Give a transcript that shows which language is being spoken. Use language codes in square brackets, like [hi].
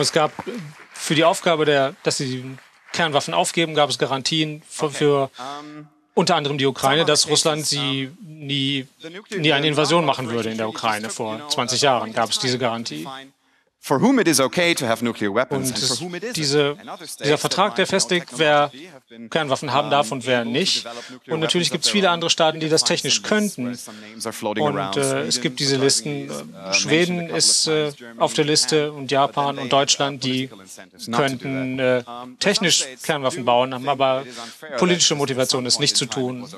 [de] es gab für die Aufgabe der, dass sie die Kernwaffen aufgeben, gab es Garantien für unter anderem die Ukraine, dass Russland sie nie eine Invasion machen würde in der Ukraine. Vor 20 Jahren gab es diese Garantie. [en] For whom it is okay to have nuclear weapons [de] und [en] for whom it [de] dieser Vertrag, der festlegt, wer Kernwaffen haben darf und wer nicht. Und natürlich gibt es viele andere Staaten, die das technisch könnten. Und es gibt diese Listen. Schweden ist auf der Liste und Japan und Deutschland, die könnten technisch Kernwaffen bauen, haben aber politische Motivation, es nicht zu tun.